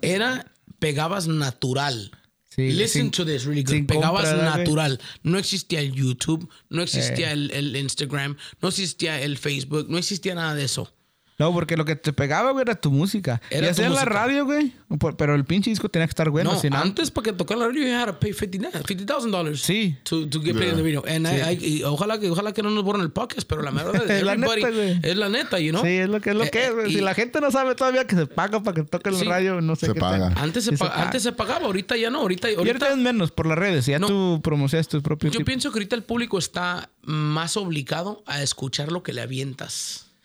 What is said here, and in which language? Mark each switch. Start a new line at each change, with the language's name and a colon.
Spanish: Era, pegabas natural. Sí,
English: listen to this really good.
Spanish: Pegabas natural. No existía el YouTube, no existía el Instagram, no existía el Facebook, no existía nada de eso. No, porque lo que te pegaba, güey, era tu música. Era, ya sea en la radio, güey, pero el pinche disco tenía que estar bueno. No, sino... antes, para que tocara la radio,
English: you had to pay $50,000.
Spanish: Sí.
English: To get played in the radio. And sí.
Spanish: I, ojalá que no nos borren el podcast, pero la verdad es la neta, güey. Es la neta,
English: you know?
Spanish: Sí, es lo que es. Y, si la gente no sabe todavía que se paga para que toque la radio, no sé se qué. Paga. Antes se pagaba, ahorita ya no. Ahorita es menos por las redes, ya no. Tú promocias tus propios. Yo pienso que ahorita el público está más obligado a escuchar lo que le avientas.